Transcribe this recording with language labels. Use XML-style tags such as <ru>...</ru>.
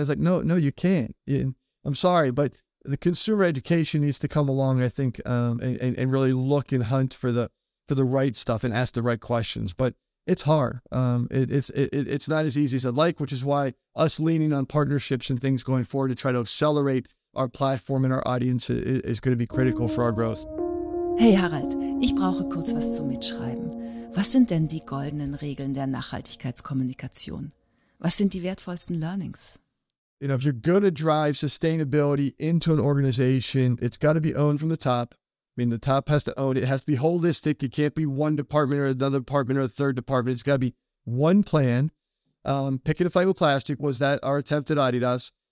<en>It's like, no, you can't. I'm sorry, but the consumer education needs to come along, I think, and really look and hunt for the right stuff and ask the right questions. But it's hard. It's not as easy as I'd like, which is why us leaning on partnerships and things going forward to try to accelerate our platform and our audience is going to be critical for our growth.</en> <de>Hey Harald, ich brauche kurz was zum Mitschreiben. Was sind denn die goldenen Regeln der Nachhaltigkeitskommunikation? Was sind die wertvollsten Learnings?</de> <en>You know, if you're going to drive sustainability into an organization, it's got to be owned from the top. I mean, the top has to own it. It has to be holistic. It can't be one department or another department or a third department. It's got to be one plan. Picking a fight with plastic was that our attempt at Adidas.</en>